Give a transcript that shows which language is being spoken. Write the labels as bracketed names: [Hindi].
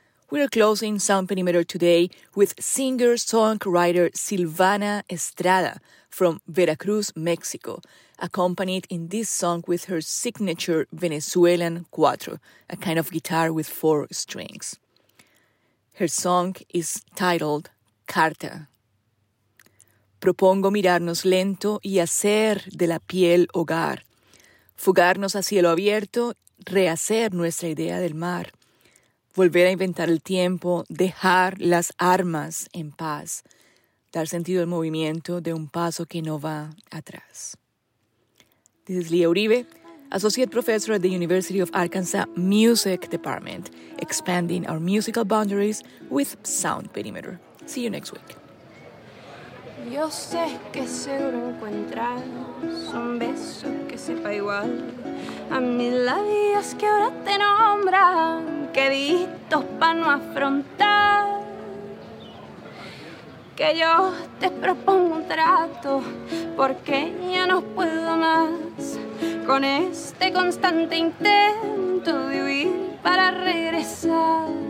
[English] We are closing Sound Perimeter today with singer-songwriter Silvana Estrada from Veracruz, Mexico, accompanied in this song with her signature Venezuelan cuatro, a kind of guitar with four strings. Her song is titled Carta. [Spanish] Propongo mirarnos lento y hacer de la piel hogar, fugarnos a cielo abierto, rehacer nuestra idea del mar, volver a inventar el tiempo, dejar las armas en paz, dar sentido al movimiento de un paso que no va atrás. [English] This is Leah Uribe, Associate Professor at the University of Arkansas Music Department, expanding our musical boundaries with Sound Perimeter. See you next week. [Spanish] Yo sé que seguro encuentras un beso que sepa igual a mis labios que ahora te nombran, queditos pa' no afrontar. Que yo te propongo un trato, porque ya no puedo más con este constante intento de huir para regresar.